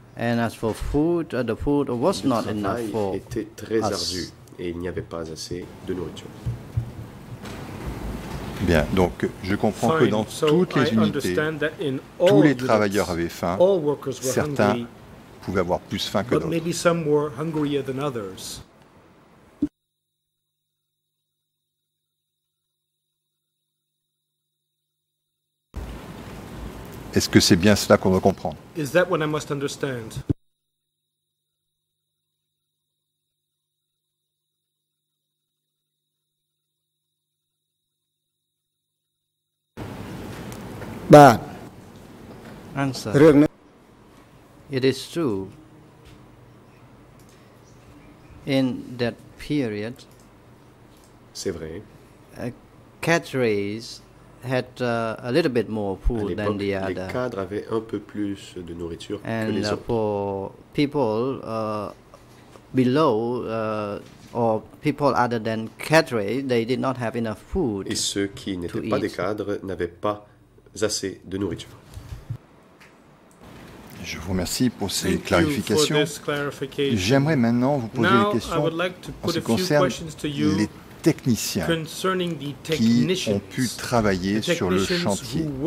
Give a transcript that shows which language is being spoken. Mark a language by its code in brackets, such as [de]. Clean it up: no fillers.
[en] And as for food, the food was not enough for us. [fr] Le travail était très ardu et il n'y avait pas assez de nourriture. Bien, donc je comprends que dans toutes les unités, tous les travailleurs avaient faim. Certains pouvaient avoir plus faim que d'autres. [en] But maybe some were hungrier than others. [fr] Est-ce que c'est bien cela qu'on doit comprendre? [en] Is that what I must understand? But answer. It is true. In that period, [fr] c'est vrai. [en] Cadres had a little bit more food than the other. [fr] Les cadres avaient un peu plus de nourriture [en] and [fr] que les [en] for people below or people other than cadres, they did not have enough food. [fr] Et ceux qui n'étaient pas des cadres n'avaient pas assez de nourriture. Je vous remercie pour ces clarifications. J'aimerais maintenant vous poser des questions qui concernent les techniciens qui ont pu travailler sur le chantier.